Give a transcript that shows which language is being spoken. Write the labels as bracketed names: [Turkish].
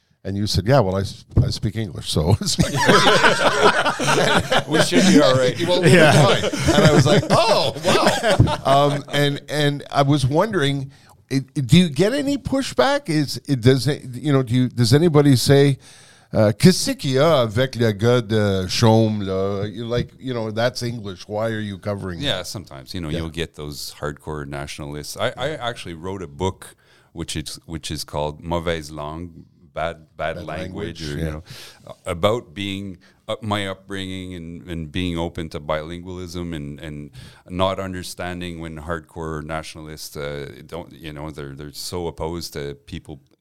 [English] And you said, yeah, well, I speak English, so. We should be all right. Well, we're fine. And I was like, oh, wow. And I was wondering, do you get any pushback? Does anybody say, [French] qu'est-ce qu'il y a avec le gars de chaume? [English] Like, you know, that's English. Why are you covering it? Yeah, sometimes, you know, you'll get those hardcore nationalists. I actually wrote a book, which is called Mauvaise Langue. Bad language, you know, about being my upbringing and being open to bilingualism and not understanding when hardcore nationalists don't, you know, they're so opposed to people